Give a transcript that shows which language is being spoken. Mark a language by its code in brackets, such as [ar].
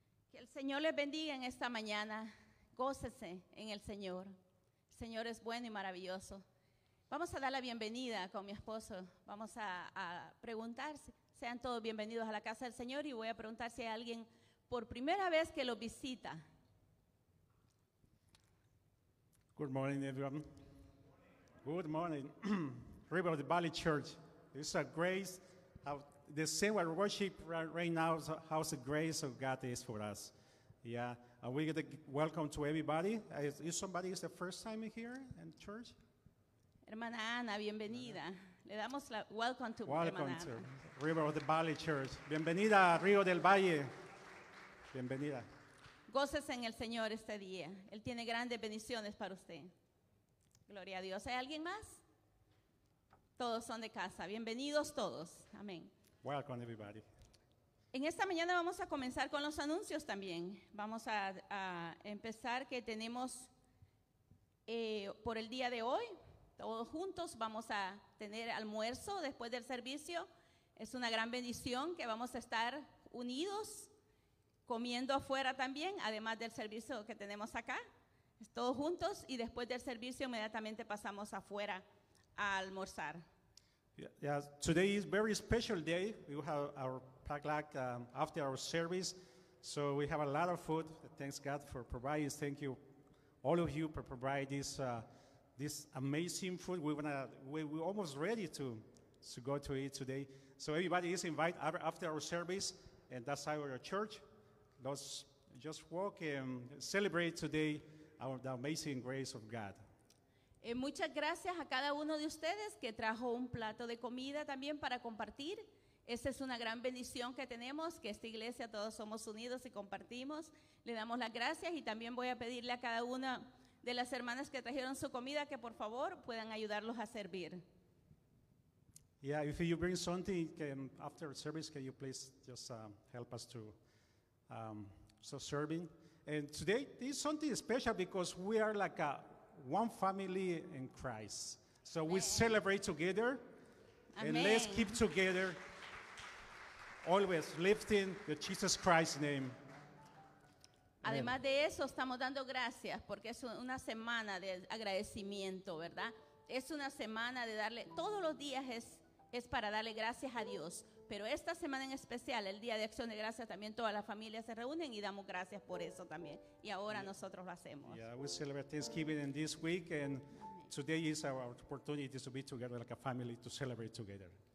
[es] Que el Señor les bendiga en esta mañana, gócese en el Señor. El Señor es bueno y maravilloso. Vamos a dar la bienvenida con mi esposo, vamos a preguntar, sean todos bienvenidos a la casa del Señor y voy a preguntar si hay alguien por primera vez que lo visita. [en] Good morning, everyone. Good morning, River Valley Church. It's a grace. The same we worship right now, how the grace of God is for us. Yeah, we get a welcome to everybody. Is somebody is the first time here in church? [es] Hermana Ana, bienvenida. Le damos la [en] welcome to [es] Hermana. [en] Welcome to River Valley Church. [es] Bienvenida a Río del Valle. Bienvenida. Gócese en el Señor este día. Él tiene grandes bendiciones para usted. Gloria a Dios. ¿Hay alguien más? Todos son de casa. Bienvenidos todos. Amén. [en] Welcome, everybody. [es] En esta mañana vamos a comenzar con los anuncios también. Vamos a empezar que tenemos por el día de hoy, todos juntos vamos a tener almuerzo después del servicio. Es una gran bendición que vamos a estar unidos comiendo afuera también, además del servicio que tenemos acá, todos juntos, y después del servicio inmediatamente pasamos afuera a almorzar. [en] Yeah, yeah. Today is very special day. We have our potluck after our service, so we have a lot of food. Thanks God for providing. Thank you, all of you, for providing this amazing food. We're almost ready to go to eat today. So everybody is invited after our service, and that's our church. Let's just walk and celebrate today the amazing grace of God. [es] Muchas gracias a cada uno de ustedes que trajo un plato de comida también para compartir. Esa es una gran bendición que tenemos, que esta iglesia todos somos unidos y compartimos. Le damos las gracias y también voy a pedirle a cada una de las hermanas que trajeron su comida que por favor puedan ayudarlos a servir. [en] Yeah, if you bring something after service, can you please just help us to serving. And today is something special because we are like a one family in Christ. So Amen. We celebrate together. Amen. And let's keep together, always lifting the Jesus Christ's name. [es] Además de eso, estamos dando gracias porque es una semana de agradecimiento, ¿verdad? Es una semana de darle, todos los días es para darle gracias a Dios. Pero esta semana en especial, el Día de Acción de Gracias, también todas las familias se reúnen y damos gracias por eso también. Y ahora [en] yeah. [es] Nosotros lo hacemos. [en] Yeah, we celebrate Thanksgiving in this week, and today is our opportunity to be together like a family to celebrate together.